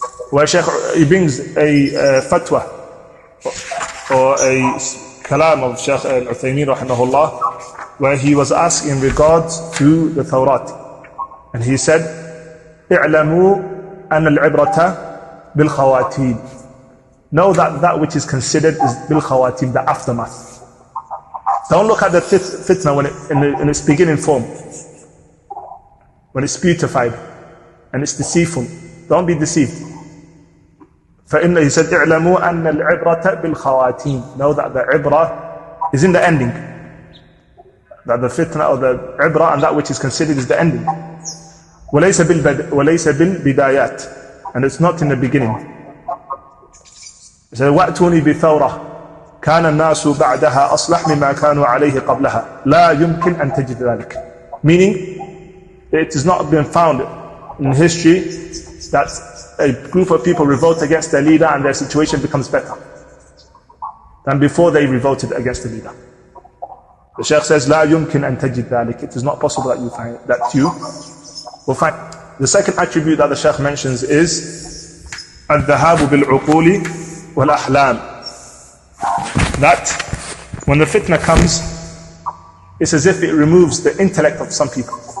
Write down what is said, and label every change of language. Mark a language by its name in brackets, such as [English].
[English] Where Shaykh, he brings a fatwa or a kalam of Shaykh Al-Uthaymeen rahimahullah, where he was asked in regards to the Tawrat, and he said, [Arabic] اِعْلَمُوا أَنَّ الْعِبْرَةَ بِالْخَوَاتِيمِ. [English] Know that that which is considered is بِالْخَوَاتِيمِ, the aftermath. Don't look at the fitna when in its beginning form, when it's beautified and it's deceitful. Don't be deceived. [Arabic] فَإِنَّ, [English] he said, [Arabic] اِعْلَمُوا أَنَّ الْعِبْرَةَ بِالْخَوَاتِيمِ. [English] Know that the ibrah is in the ending. That the fitna or the ibrah and that which is considered is the ending. [Arabic] وَلَيْسَ بِالْبِدَايَاتِ. [English] And it's not in the beginning. He said, [Arabic] وَأْتُونِي بِثَوْرَةِ كَانَ النَّاسُ بَعْدَهَا أَصْلَحْ مِمَا كَانُوا عَلَيْهِ قَبْلَهَا لَا يُمْكِنْ أَن تَجِدْ ذَلِكَ. [English] Meaning, it has not been found in history that a group of people revolt against their leader and their situation becomes better than before they revolted against the leader. The Shaykh says, [Arabic] لَا يُمْكِنْ أَن تَجِدْ ذَلِكَ. [English] It is not possible that you find that you will find. The second attribute that the Shaykh mentions is [Arabic] الذهاب بالعقول والأحلام. [English] That when the fitna comes, it's as if it removes the intellect of some people.